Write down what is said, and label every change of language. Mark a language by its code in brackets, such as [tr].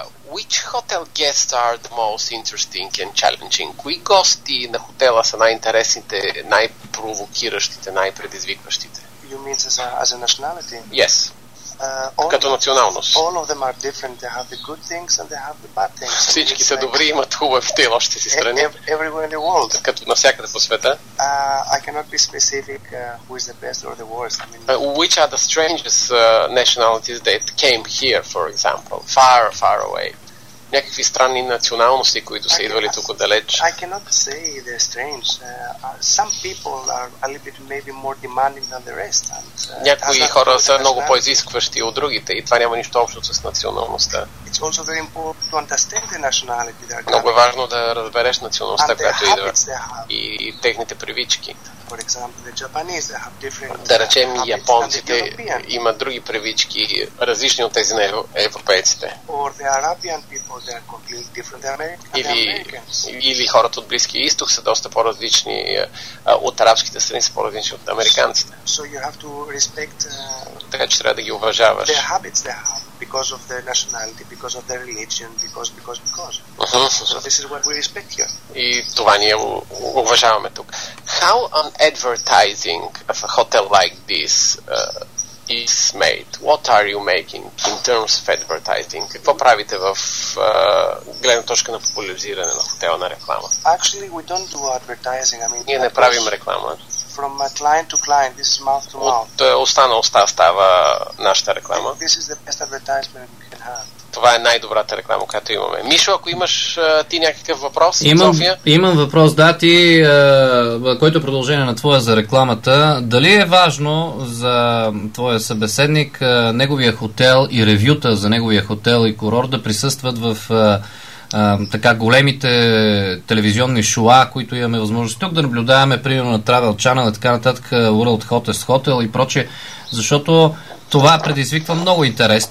[en] Which hotel guests are the most interesting and challenging? [bg] Кои гости на хотела са най-интересните, най-провокиращите, най-предизвикващите? [en] You mean as a nationality? Yes. [bg] Като националност. [en] All of them are different. They have the good things and they have the bad things. [bg] Всички са добри, имат хубавите и лошите си страни. [en] Everywhere in the world. [bg] Като навсякъде по света. [en] I cannot be specific who is the best or the worst. I mean, which are the strangest nationalities that came here, for example? Far, far away. [bg] Някакви странни националности, които са идвали тук далеч. [en] I cannot say they're strange. Some people are a little bit maybe more demanding than the rest. [bg] Някои хора са много по-изискващи от другите и това няма нищо общо с националността. [en] It's also very important to understand the nationality they are coming. [bg] Много е важно да разбереш националността, която идва. [en] And the habits they have. [bg] И техните привички. [en] For example, the Japanese, they have different habits. [bg] Да речем, японците имат други привички, различни от тези на европейците. [en] Or the Arabian people, they are completely different than Americans. [bg] Или хората от Близкия изток са доста по-различни от арабските страни, са по-различни от американците. [en] So you have to respect, [bg] така че трябва да ги уважаваш. [en] Their habits they have because of their nationality, because of their religion, because. So this is what we respect here. [bg] И това ние уважаваме тук. [en] How an advertising of a hotel like this is made? What are you making in terms of advertising? [bg] Какво правите в гледна точка на популяризиране на хотела, на реклама? [en] Actually, we don't do advertising. I mean, [bg] ние не правим реклама. [en] From client to client, this is mouth to mouth. [bg] От уста на уста става нашата реклама. [en] This is the best advertisement we can have. [bg] Това е най-добрата реклама, която имаме. Мишо, ако имаш ти някакъв въпрос, имам въпрос, да, ти, който е продължение на твоя за рекламата. Дали е важно за твоя събеседник неговия хотел и ревюта за неговия хотел и курорт да присъстват в така големите телевизионни шоа, които имаме възможност тук да наблюдаваме, примерно на Travel Channel и така нататък, World Hottest Hotel и прочее, защото това предизвиква много интерес.